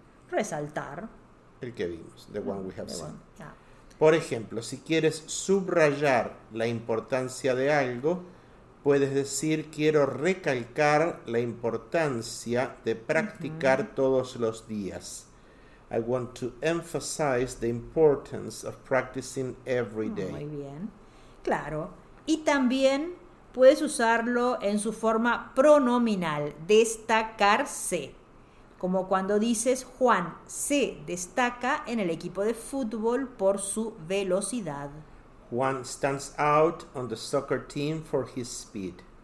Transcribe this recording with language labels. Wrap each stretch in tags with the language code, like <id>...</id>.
<es>Resaltar. El que vimos,</es> <en>the one we have seen.</en> <es>Por ejemplo, si quieres subrayar la importancia de algo, puedes decir, quiero recalcar la importancia de practicar todos los días.</es> <en>I want to emphasize the importance of practicing every day.</en> <es>Muy bien, claro. Y también puedes usarlo en su forma pronominal, destacarse. Como cuando dices, Juan se destaca en el equipo de fútbol por su velocidad.</es> <en>Juan stands out on the soccer team for his speed.</en>